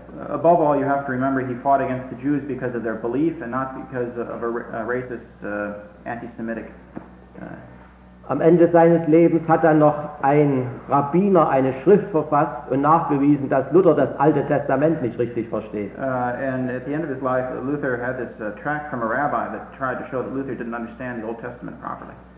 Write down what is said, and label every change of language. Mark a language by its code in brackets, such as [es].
[en] Above all, you have to remember, he fought against the Jews because of their belief and not because of a racist, anti-Semitic. [de] Am Ende seines Lebens hat dann noch ein Rabbiner eine Schrift verfasst und nachgewiesen, dass Luther das Alte Testament nicht richtig versteht. [en] And at the end of his life, Luther had this tract from a rabbi that tried to show that Luther didn't understand the Old Testament properly.